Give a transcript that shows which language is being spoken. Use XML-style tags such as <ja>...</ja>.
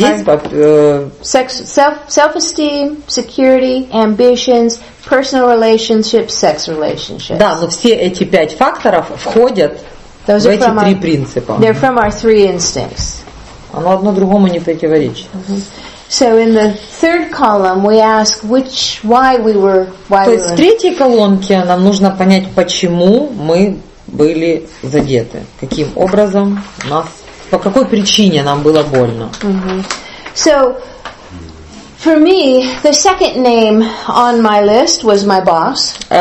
<en>Self-esteem, security, ambitions, personal relationships, sex relationships.</en> <ru>Да, но все эти пять факторов входят</ru> <en>Those</en> <ru>в эти три принципа.</ru> <en>They're from our three instincts.</en> <ru>Оно одно другому не противоречит. Mm-hmm.</ru> <en>So in the third column we ask which why we were why</en> <ru>То есть в третьей колонке нам нужно понять, почему мы были задеты. Каким образом нас по какой причине нам было больно.</ru> <en>Mm-hmm. So for me, the second name on my list was my boss.</en>